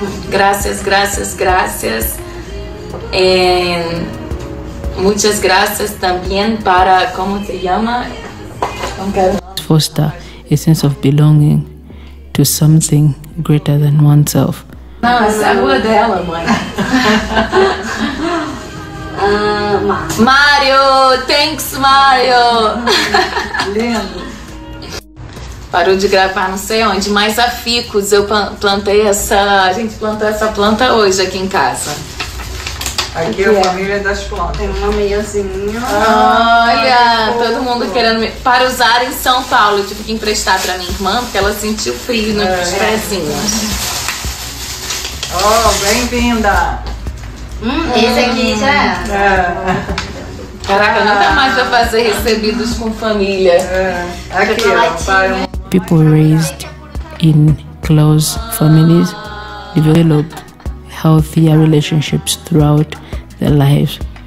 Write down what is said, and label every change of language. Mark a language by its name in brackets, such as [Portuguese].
[Spanish] Gracias, gracias, gracias. And muchas gracias también para, como se llama? [English] Foster a sense of belonging to something greater than oneself. [Portuguese] Não, essa é a rua dela, mãe. [English] Mario! Thanks, Mario! [Portuguese] Lindo! Parou de gravar não sei onde, mas a Ficus, eu plantei essa... A gente plantou essa planta hoje aqui em casa. Aqui é a família das plantas. Tem uma meiazinha. Olha! Ai, todo mundo querendo me... Para usar em São Paulo, eu tive que emprestar pra minha irmã, porque ela sentiu frio nos pezinhos. Oh, bem-vinda! Esse aqui já é. Caraca, nunca mais vou fazer recebidos com família. Aqui, [English] people raised in close families develop healthier relationships throughout their lives.